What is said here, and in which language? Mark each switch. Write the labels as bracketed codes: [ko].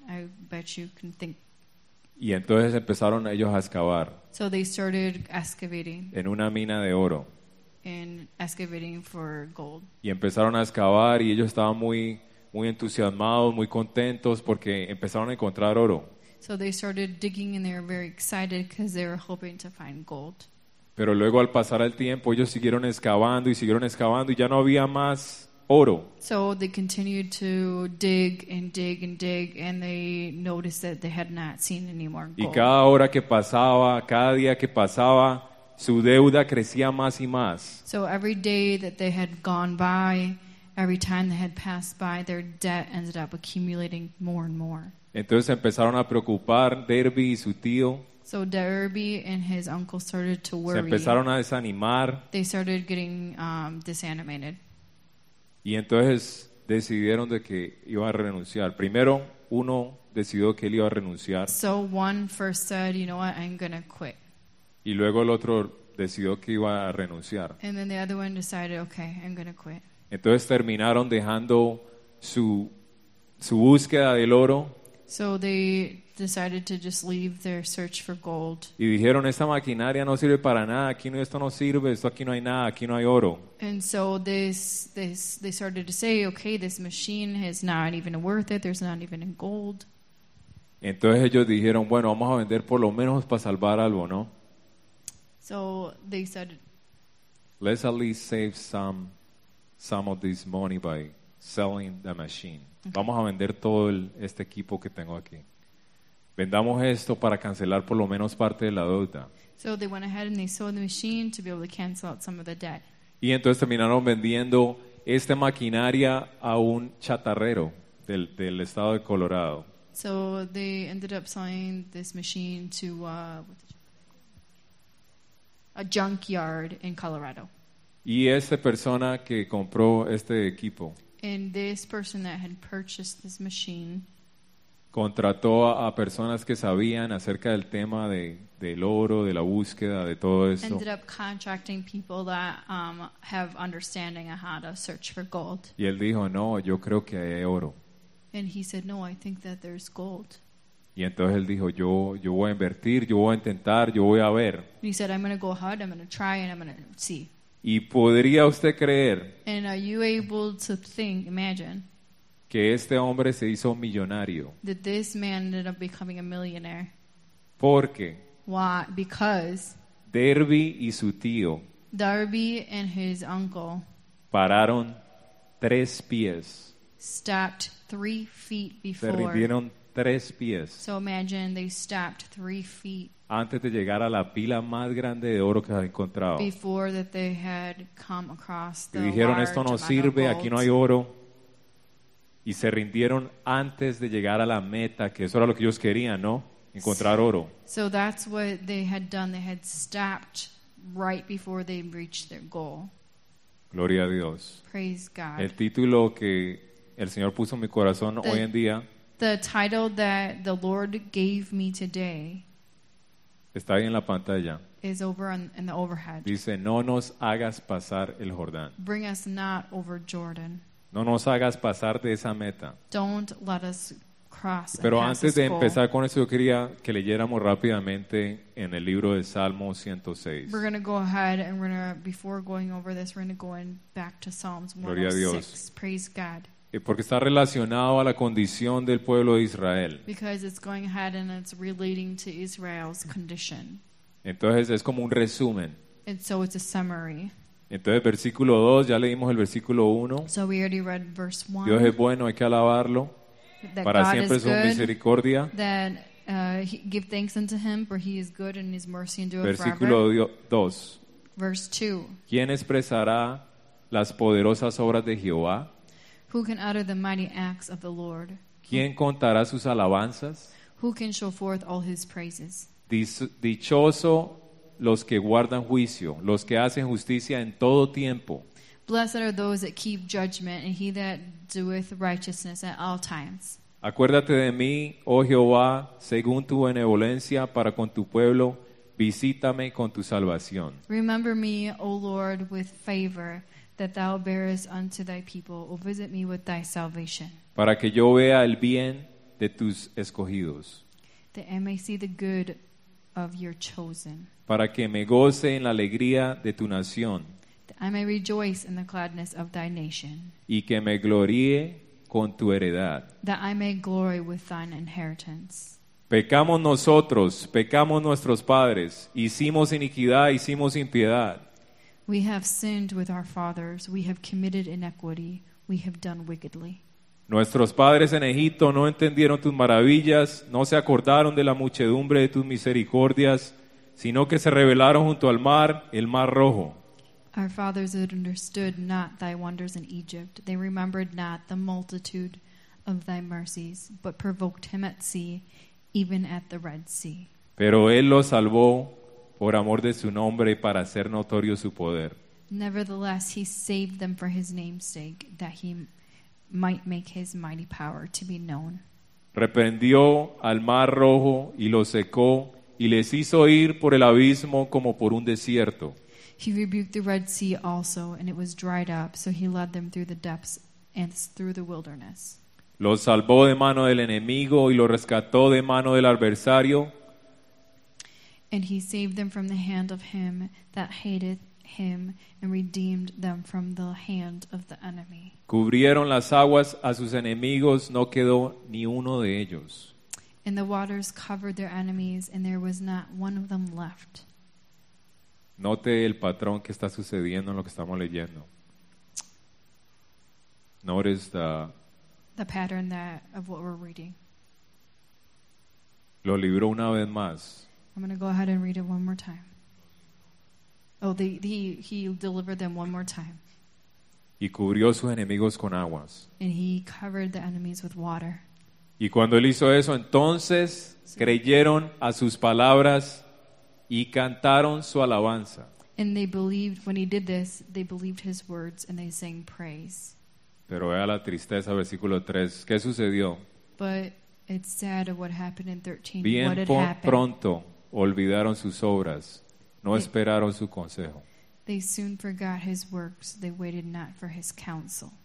[en] I bet you can think. [es] Y entonces empezaron ellos a excavar. [en] So they started excavating. [es] En una mina de oro. [en] And excavating for gold. [es] Y empezaron a excavar y ellos estaban muy, muy entusiasmados, muy contentos porque empezaron a encontrar oro. [en] So they started digging and they were very excited because they were hoping to find gold. [es] Pero luego al pasar el tiempo ellos siguieron excavando y y ya no había más oro. [en] So they continued to dig and dig and dig and they noticed that they had not seen any more gold. [es] Y cada hora que pasaba, cada día que pasaba, su deuda crecía más y más. [en] So every day that they had gone by, every time they had passed by, their debt ended up accumulating more and more. [es] Entonces empezaron a preocupar Derby y su tío. [en] So Derby and his uncle started to worry. [es] Se empezaron a desanimar. [en] They started getting disanimated. [es] Y entonces decidieron de que iba a renunciar. Primero uno decidió que él iba a renunciar. [en] So one first said, you know what, I'm going to quit. [es] Y luego el otro decidió que iba a renunciar. [en] And then the other one decided, okay, I'm going to quit. [es] Entonces terminaron dejando su búsqueda del oro. [en] So they decided to just leave their search for gold. [es] Y dijeron, esta maquinaria no sirve para nada, aquí no, esto no sirve, esto aquí no hay nada, aquí no hay oro. [en] And so they started to say, okay, this machine is not even worth it, there's not even gold. [es] Entonces ellos dijeron, bueno, vamos a vender por lo menos para salvar algo, ¿no? [en] So they said, let's at least save some of this money by selling the machine. Okay. [es] Vamos a vender todo este equipo que tengo aquí. Vendamos esto para cancelar por lo menos parte de la deuda. [en] So they went ahead and they sold the machine to be able to cancel out some of the debt. [es] Y entonces terminaron vendiendo esta maquinaria a un chatarrero del estado de Colorado. [en] So they ended up selling this machine to a junkyard in Colorado. [es] Y esta persona que compró este equipo. [en] And this person that had purchased this machine [es] contrató a personas que sabían acerca del tema del oro, de la búsqueda, de todo eso. [en] Ended up contracting people that have understanding of how to search for gold. [es] Y él dijo, no, yo creo que hay oro. [en] And he said, no, I think that there's gold. [es] Y entonces él dijo, yo voy a invertir, yo voy a intentar, yo voy a ver. [en] And he said, I'm going to go ahead, I'm going to try and I'm going to see. [es] ¿Y podría usted creer? [en] And are you able to think, imagine? [es] Que este hombre se hizo millonario. [en] That this man ended up becoming a millionaire. [es] ¿Por qué? [en] Why? Because [es] Derby y su tío. [en] Derby and his uncle. [es] Pararon 3 pies. [en] Stopped 3 feet before. [es] Se rindieron 3 pies. [en] So imagine they stopped 3 feet. [es] Antes de llegar a la pila más grande de oro que han encontrado. [en] Before that they had come across the. [es] Y dijeron, esto no sirve, aquí no hay oro. Y se rindieron antes de llegar a la meta, que eso era lo que ellos querían, ¿no? Encontrar oro. [en] So that's what they had done. They had stopped right before they reached their goal. [es] Gloria a Dios. [en] Praise God. [es] El título que el Señor puso en mi corazón hoy en día. [en] The title that the Lord gave me today. [es] Está ahí en la pantalla. [en] Is over in the overhead. [es] Dice, no nos hagas pasar el Jordán. [en] Bring us not over Jordan. [es] No nos hagas pasar de esa meta. [en] Don't let us cross. [es] Pero antes de empezar con eso, yo quería que leyéramos rápidamente en el libro de Salmo 106. [en] We're going to go ahead and before going over this, we're going to go in back to Psalms 106. [es] Gloria a Dios. [en] Praise God. [es] Porque está relacionado a la condición del pueblo de Israel. [en] Because it's going ahead and it's relating to Israel's condition. [es] Entonces es como un resumen. [en] And so it's a summary. [es] Entonces, versículo 2, ya leímos el versículo 1. [en] So we already read verse 1. [es] Dios es bueno, hay que alabarlo. [en] That [es] para [en] God [es] siempre [en] is good, [es] su misericordia. [en] That, give thanks unto him, for he is good and his mercy endure forever. [es] Versículo 2. [en] Verse 2. [es] ¿Quién expresará las poderosas obras de Jehová? [en] Who can utter the mighty acts of the Lord? [es] ¿Quién contará sus alabanzas? [en] Who can show forth all his praises? [es] Dichoso los que guardan juicio, los que hacen justicia en todo tiempo. [en] Blessed are those that keep judgment, and he that doeth righteousness at all times. [es] Acuérdate de mí, oh Jehová, según tu benevolencia para con tu pueblo, visítame con tu salvación. [en] Remember me, O Lord, with favor that thou bearest unto thy people, O visit me with thy salvation. [es] Para que yo vea el bien de tus escogidos. [en] That I may see the good of your chosen. [es] Para que me goce en la alegría de tu nación. [en] That I may rejoice in the gladness of thy nation. [es] Y que me gloríe con tu heredad. [en] That I may glory with thine inheritance. [es] Pecamos nosotros, pecamos nuestros padres, hicimos iniquidad, hicimos impiedad. [en] We have sinned with our fathers, we have committed iniquity, we have done wickedly. [es] Nuestros padres en Egipto no entendieron tus maravillas, no se acordaron de la muchedumbre de tus misericordias, sino que se rebelaron junto al mar, el mar rojo. [en] Our fathers had understood not thy wonders in Egypt. They remembered not the multitude of thy mercies, but provoked him at sea, even at the Red Sea. [es] Pero él lo salvó por amor de su nombre y para hacer notorio su poder. [en] Nevertheless, he saved them for his name's sake, that he might make his mighty power to be known. [es] Reprendió al mar rojo y lo secó, y les hizo ir por el abismo como por un desierto. [en] He rebuked the Red Sea also, and it was dried up, so he led them through the depths and through the wilderness. [es] Lo salvó de mano del enemigo y lo rescató de mano del adversario. [en] And he saved them from the hand of him that hateth him, and redeemed them from the hand of the enemy. [es] Cubrieron las aguas a sus enemigos, no quedó ni uno de ellos. [en] And the waters covered their enemies, and there was not one of them left. [es] Note el patrón que está sucediendo en lo que estamos leyendo. [en] Notice the pattern that of what we're reading. [es] Lo libró una vez más. [en] I'm going to go ahead and read it one more time. Oh, he delivered them one more time. [es] Y cubrió sus enemigos con aguas. [en] And he covered the enemies with water. [es] Y cuando él hizo eso, entonces creyeron a sus palabras y cantaron su alabanza. [en] And they believed when he did this, they believed his words and they sang praise. [es] Pero vea la tristeza, versículo 3. ¿Qué sucedió? [en] But it's sad what happened in 13. [es] Bien [en] what had happened. [es] Pronto olvidaron sus obras, no they, esperaron su consejo. [en] They soon forgot his works, they waited not for his counsel.